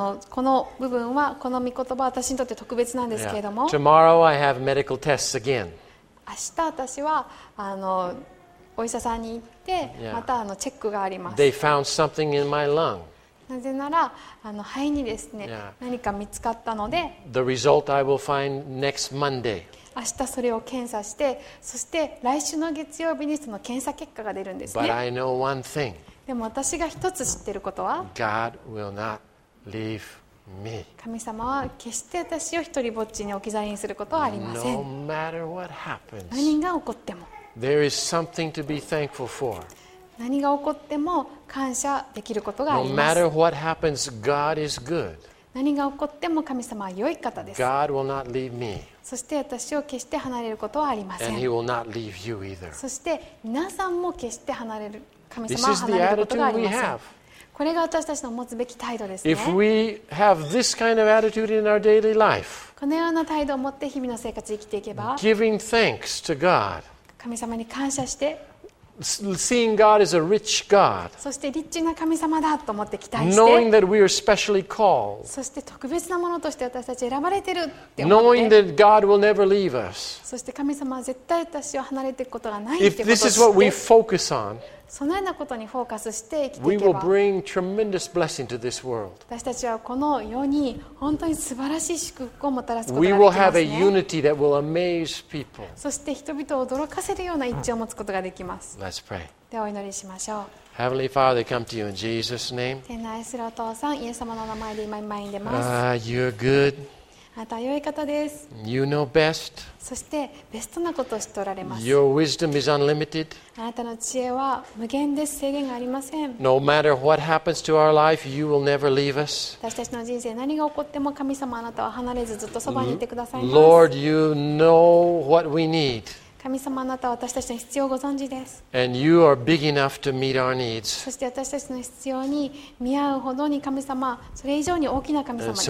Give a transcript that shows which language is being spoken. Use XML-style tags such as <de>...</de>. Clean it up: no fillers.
<ja>この部分はこの御言葉は私にとって特別なんですけれども。</ja> <en>Yeah. Tomorrow I have medical tests again.</en> <ja>明日私はお医者さんに行ってまたチェックがあります。</ja> <en>They found something in my lung.</en> <ja>なぜなら肺にですね、yeah. 何か見つかったので</ja> <en>The result I will find next Monday.</en> <ja>明日それを検査して、そして来週の月曜日にその検査結果が出るんですね。</ja> <en>But I know one thing.</en> <ja>でも私が一つ知っていることは</ja> <en>God will not leave me.</en> <ja>神様は決して私を一人ぼっちに置き去りにすることはありません。</ja> <en>No matter what happens,</en> <ja>何が起こっても</ja> <en>There is something to be thankful for.</en> <ja>何が起こっても感謝できることがあります。</ja> <en>No matter what happens, God is good.</en> <ja>何が起こっても神様は良い方です。</ja> <en>God will not leave me.</en> <ja>そして私を決して離れることはありません。</ja> <en>And He will not leave you either.</en> <ja>そして皆さんも決して離れる神様は離れることがありません。</ja> <en>This is the attitude we have.</en> <ja>これが私たちの持つべき態度ですね。</ja> <en>If we have this kind of attitude in our daily life,</en> <ja>このような態度を持って日々の生活を生きていけば、</ja> <en>giving thanks to God,</en> <ja>神様に感謝して。</ja> <en>Seeing God as a rich God.</en> <ja>そしてリッチな神様だと思って期待して。</ja> <en>Knowing that we are specially called.</en> <ja>そして特別なものとして私たち選ばれてるって思って。</ja> <en>Knowing that God will never leave us.</en> <ja>そして神様は絶対私を離れていくことがないってことを知って。</ja> <en>If this is what we focus on.</en> <ja>そのようなことにフォーカスして生きていけば、</ja> <en>We will bring tremendous blessing to this world.</en> <ja>私たちはこの世に本当に素晴らしい祝福をもたらすことができますね。</ja> <en>We will have a unity that will amaze people.</en> <ja>そして人々を驚かせるような一致を持つことができます。</ja> <en>Let's pray.</en> <ja>ではお祈りしましょう。</ja> <en>Heavenly Father, come to you in Jesus' name.</en> <ja>天の愛するお父さん、イエス様の名前で今前に出ます。</ja> <en>You're good.</en> <ja>あなたは良い方です。</ja> <en>You know best.</en> <ja>そしてベストなことを知っておられます。</ja> <en>Your wisdom is unlimited.</en> <ja>あなたの知恵は無限です。制限がありません。</ja> <en>No matter what happens to our life, you will never leave us.</en> <ja>私たちの人生何が起こっても神様あなたは離れずずっとそばにいてくださいます。</ja> <en>Lord, you know what we need.</en> <ja>神様あなたは私たちの必要をご存知です。</ja> <en>And you are big enough to meet our needs.</en> <ja>そして私たちの必要に見合うほどに神様、それ以上に大きな神様です。</ja>